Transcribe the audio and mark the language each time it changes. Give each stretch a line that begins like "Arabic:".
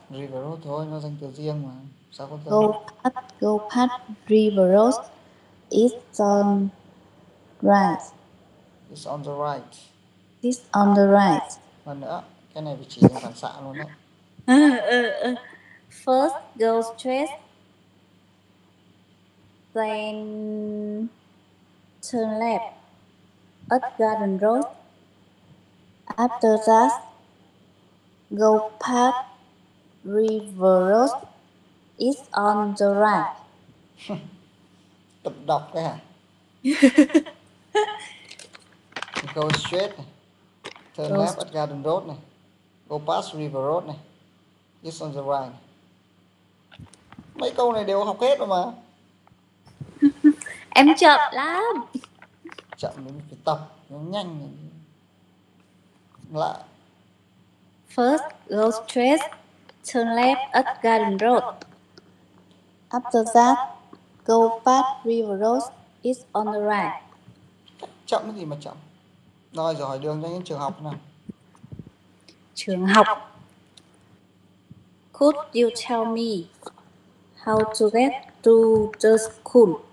Vietnamese: River Road thôi, nó dành từ riêng mà. Sao có
English: go past, go past River Road. It's on right. It's on the right. It's on the right.
Vietnamese: Lần nữa, cái này phải chỉ là phản xạ luôn đấy.
English: First go straight, then turn left at Garden Road. After that, go past River Road. It's on the right.
Vietnamese: Tập đọc đấy hả?
English: Go straight này. Turn left at Garden Road này. Go past River Road này. It's on the right.
Vietnamese: Mấy câu này đều học hết rồi mà. Em chậm lắm. Chậm mình phải tập nó nhanh này. Lại.
English: First go straight, turn left at Garden Road. After that, go past River Road. It's on the right.
Vietnamese: Chậm cái gì mà chậm? Rồi rồi, đường cho những trường học nào. Trường học.
English: Could you tell me how to get to the school?